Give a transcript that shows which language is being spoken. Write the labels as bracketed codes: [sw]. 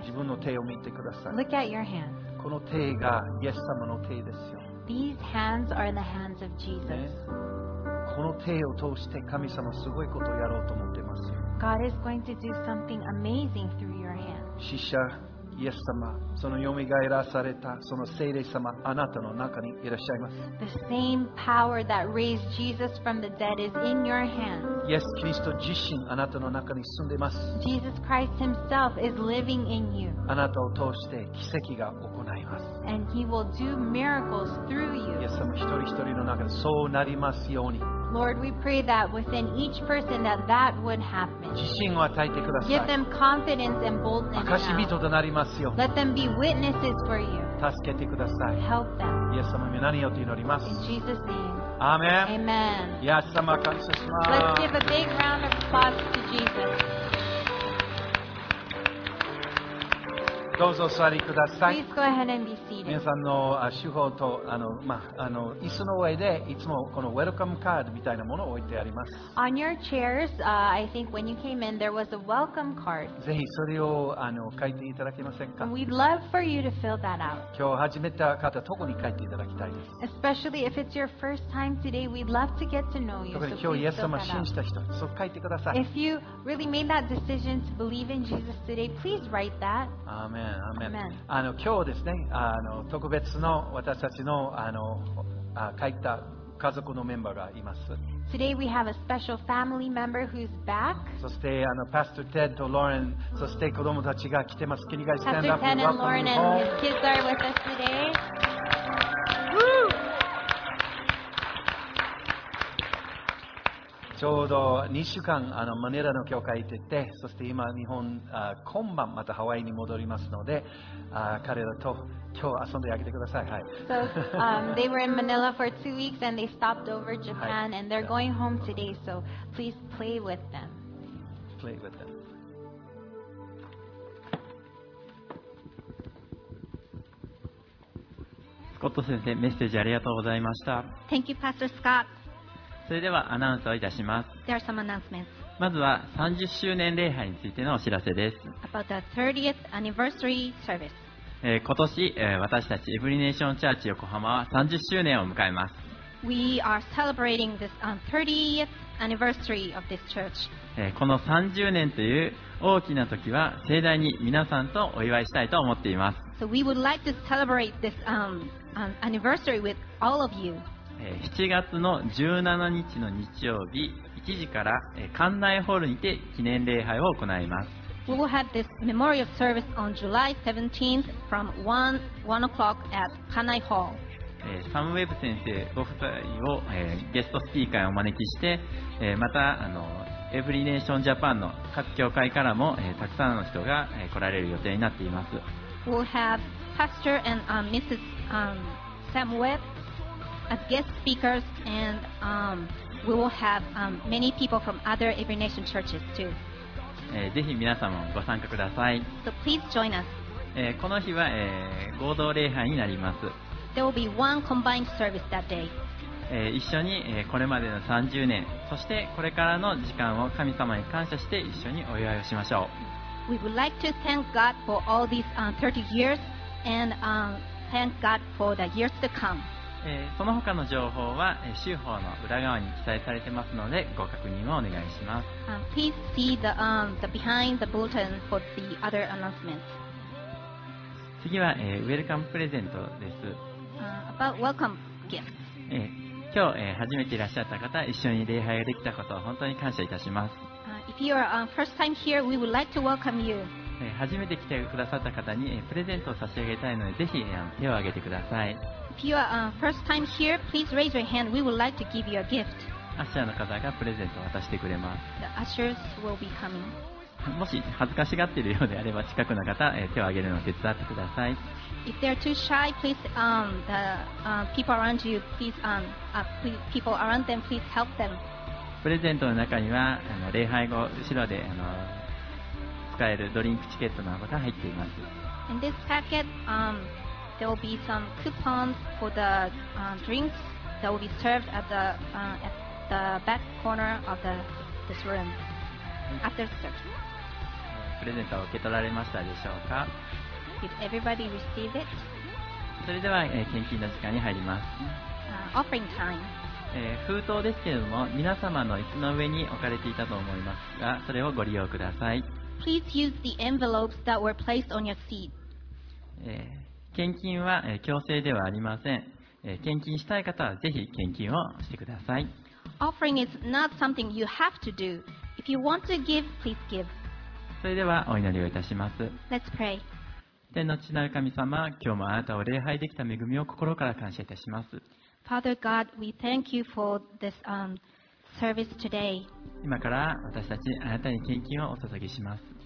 [ja] 自分の手を見てください。 [en] Look at your hands. [ja] この手がイエス様の手ですよ。 [en] These hands are the hands of Jesus.、 [ja] ね、この手を通して神様すごいことをやろうと思ってますよ。 [en] God is going to do something amazing through your hands. [ja] 死者イエス様、そのよみがえらされたその聖霊様、あなたの中にいらっしゃいます。 [en] The same power that raised Jesus from the dead is in your hands. [ja] イエス・キリスト自身、あなたの中に住んでいます。 [en] Jesus Christ himself is living in you. [ja] あなたを通して奇跡が行います。 [en] And he will do miracles through you. [ja] イエス様、一人一人の中でそうなりますように。 [en] Lord, we pray that within each person that that would happen. [ja] 自信を与えてください。 [en] Give them confidence and boldness. [ja] 証し人となりますよ。 [en] Let them be witnesses for you. [ja] 助けてください。 [en] Help them. [ja] イエス様に何をと祈ります。 [en] In Jesus' name. Amen. Amen. [ja] イエス様、感謝します。 [en] Let's give a big round of applause to Jesus. [ja] どうぞお座りください。 [en] Please go ahead and be seated. [ja] 皆さんの手法と椅子の上でいつもこのウェルカムカードみたいなものを置いてあります。 [en] On your chairs, I think when you came in, there was a welcome card. [ja] ぜひそれを書いていただけませんか。 [en] We'd love for you to fill that out. [ja] 今日始めた方は特に書いていただきたいです。 [en] Especially if it's your first time today, we'd love to get to know you. [ja] 特に今日イエス様信じた人、そう書いてください。 [en] If you really made that decision to believe in Jesus today, please write that. Amen. Amen. [ja] 今日ですね、特別の私たち の, 帰った家族のメンバーがいます。 [en] Today we have a special family member who's back. [ja] そしてPastor Ted と Lauren、そして子供たちが来てます。 [en] Can you guys stand up? Pastor Ted and Lauren and his kids are with us today. Woo! [ja] ちょうど2週間マニラの教会に行っていて、そして今日本今晩またハワイに戻りますので、彼らと今日遊んであげてください。はい。 [en] So, they were in Manila for 2 weeks and they stopped over Japan、はい、and they're going home today. So please play with them. Play with them. [ja] スコット先生、メッセージありがとうございました。 [en] Thank you, Pastor Scott. [ja] それではアナウンスをいたします。 [en] There are some announcements. [ja] まずは30周年礼拝についてのお知らせです。 [en] About the 30th anniversary service. [ja] 今年私たちエブリネーションチャーチ横浜は30周年を迎えます。 [en] We are celebrating this 30th anniversary of this church. [ja] この30年という大きな時は盛大に皆さんとお祝いしたいと思っています。 [en] So we would like to celebrate this anniversary with all of you. [ja] 7月の17日の日曜日1時から館内ホールにて記念礼拝を行います。 [en] We will have this memorial service on July 17th from 1 o'clock at Kanai Hall. [ja] サムウェブ先生ご夫妻を、ゲストスピーカーにお招きして、またエブリネーションジャパンの各教会からも、たくさんの人が、来られる予定になっています。 [en] We will have Pastor and Mrs. Sam Webb as guest speakers and we will have many people from other Every Nation churches too. [ja] ぜひ皆様もご参加ください。 [en] So please join us. [ja] この日は、合同礼拝になります。 [en] There will be one combined service that day. [ja] 一緒に、これまでの30年、そしてこれからの時間を神様に感謝して一緒にお祝いをしましょう。 [en] We would like to thank God for all these 30 years and thank God for the years to come. [ja] その他の情報は週報の裏側に記載されてますのでご確認をお願いします。 [en] Please see the, the behind the bulletin for the other announcements. [ja] 次は、ウェルカムプレゼントです。 [en] About welcome gifts. [ja] 今日、初めていらっしゃった方、一緒に礼拝ができたことを本当に感謝いたします。 [en] If you are first time here, we would like to welcome you. [ja] 初めて来てくださった方にプレゼントを差し上げたいのでぜひ手を挙げてください。 [en] If you are first time here, please raise your hand. We would like to give you a gift. [ja] アッシャーの方がプレゼントを渡してくれます。 [en] The ushers will be coming. [ja] もし恥ずかしがっているようであれば近くの方、手を挙げるのを手伝ってください。 [en] If they are too shy, please, the, people around you, please, people around them, please help them. [ja] プレゼントの中には礼拝後後ろで使えるドリンクチケットなどが入っています。 [en] In this packet, there will be some coupons for the drinks that will be served at the back corner of the, this room after service. [ja] プレゼントを受け取られましたでしょうか。 [en] Did everybody receive it? [ja] それでは、献金の時間に入ります。 [en] Offering time. [ja] 封筒ですけれども皆様の椅子の上に置かれていたと思いますがそれをご利用ください。 [en] Please use the envelopes that were placed on your seat. [ja] 献金は強制ではありません。献金したい方はぜひ献金をしてください。 [en] Offering is not something you have to do. If you want to give, please give. [ja] それではお祈りをいたします。 [en] Let's pray. [ja] 天の父なる神様、今日もあなたを礼拝できた恵みを心から感謝いたします。 [en] Father God, we thank you for this, service today. [ja] 今から私たちあなたに献金をお捧げします。